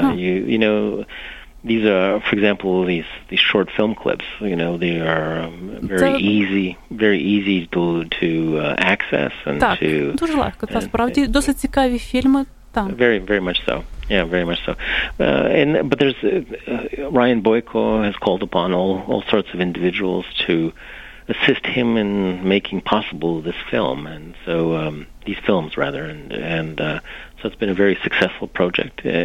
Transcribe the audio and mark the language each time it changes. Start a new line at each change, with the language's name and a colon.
English: You know, these are, for example, these short film clips, you know, they are very easy to access and
Ukrainian: так,
English: to...
Ukrainian: Так, дуже легко, та справді, досить цікаві фільми, так.
English: Very much so. But there's... Ryan Boyko has called upon all sorts of individuals to assist him in making possible this film, and so... these films, rather, and so it's been a very successful project.